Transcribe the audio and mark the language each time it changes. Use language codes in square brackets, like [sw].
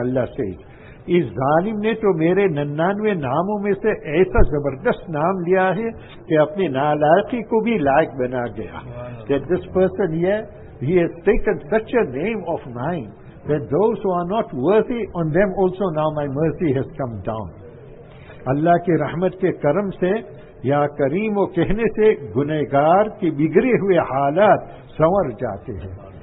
[en] Allah says, [ur] اس ظالم نے تو میرے 99 ناموں میں سے ایسا زبردست نام لیا ہے کہ اپنی نالائقی کو بھی لائق بنا گیا. [en] That this person here, he has taken such a name of mine, that those who are not worthy, on them also now my mercy has come down. [ur] اللہ کی رحمت کے کرم سے یا کریم و کہنے سے گنہگار کے بگڑے ہوئے حالات سنور جاتے ہیں.